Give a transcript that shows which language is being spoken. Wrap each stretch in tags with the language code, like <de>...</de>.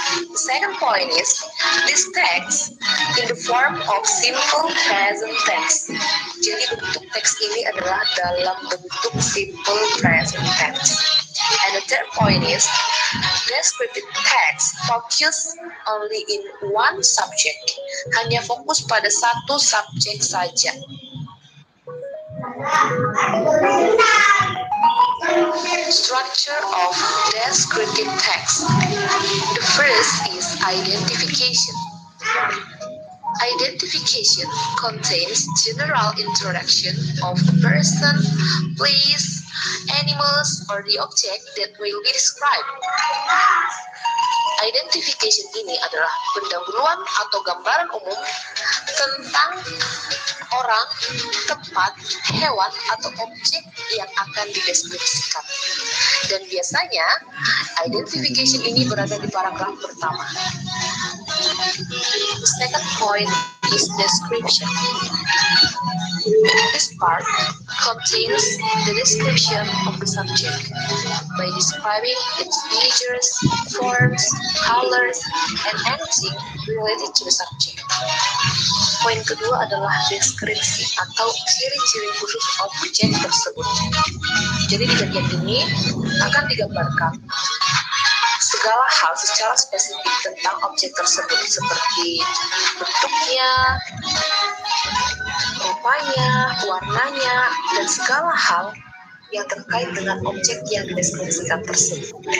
<en>The second point is this text in the form of simple present tense.</en> <id>Jadi bentuk teks ini adalah dalam bentuk simple present tense.</id> <en>And the third point is descriptive text focus only in one subject.</en> <id>Hanya fokus pada satu subjek saja.</id> <en>Structure of descriptive text. The first is identification. Identification contains general introduction of the person, place, animals, or the object that will be described.</en> <id>Identification ini adalah pendahuluan atau gambaran umum tentang orang, tempat, hewan, atau objek yang akan dideskripsikan. Dan biasanya, identification ini berada di paragraf pertama.</id> <en>Second point is description. This part contains the description of the subject by describing its features, forms, colors, and anything related to the subject.</en> <id>Poin kedua adalah deskripsi atau ciri-ciri khusus objek tersebut. Jadi di bagian ini akan digambarkan segala hal secara spesifik tentang objek tersebut seperti bentuknya, rupanya, warnanya, dan segala hal yang terkait dengan objek yang dideskripsikan tersebut.</id>